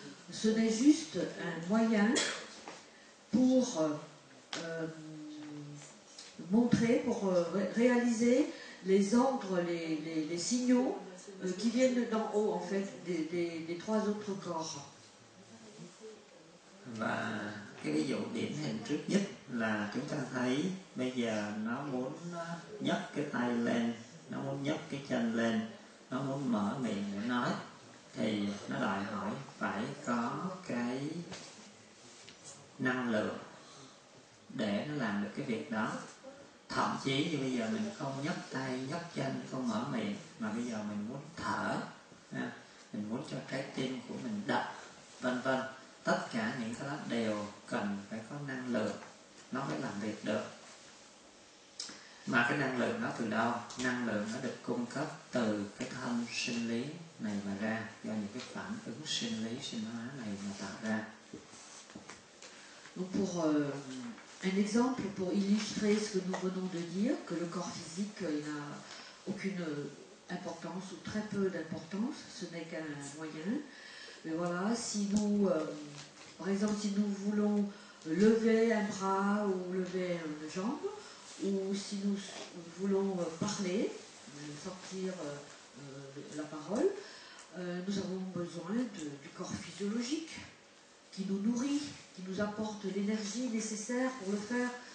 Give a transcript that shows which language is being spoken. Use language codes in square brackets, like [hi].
[fr] Ce n'est juste un moyen pour montrer, pour réaliser les ordres, les signaux qui viennent d'en haut, en fait, des trois autres corps. [vi] Và cái ví dụ điển hình trước nhất là chúng ta thấy bây giờ nó muốn nhấc cái tay lên, nó muốn nhấc cái chân lên, nó muốn mở miệng để nói, thì nó đòi hỏi phải có cái năng lượng để nó làm được cái việc đó. Thậm chí như bây giờ mình không nhấc tay, nhấc chân, không mở miệng, mà bây giờ mình muốn thở, mình muốn cho trái tim của mình đập, vân vân. Tất cả những cái đó đều cần phải có năng lượng nó mới làm việc được. Mà cái năng lượng nó từ đâu? Năng lượng nó được cung cấp từ cái thân sinh lý này mà ra, do những cái phản ứng sinh lý sinh hóa này mà tạo ra. [fr] Donc pour un exemple pour illustrer ce que nous venons de dire, que le corps physique il n'a aucune importance ou très peu d'importance, ce n'est qu'un moyen. Mais voilà, si nous, par exemple, si nous voulons lever un bras ou lever une jambe, ou si nous voulons parler, sortir la parole, nous avons besoin du corps physiologique qui nous nourrit, qui nous apporte l'énergie nécessaire pour le faire.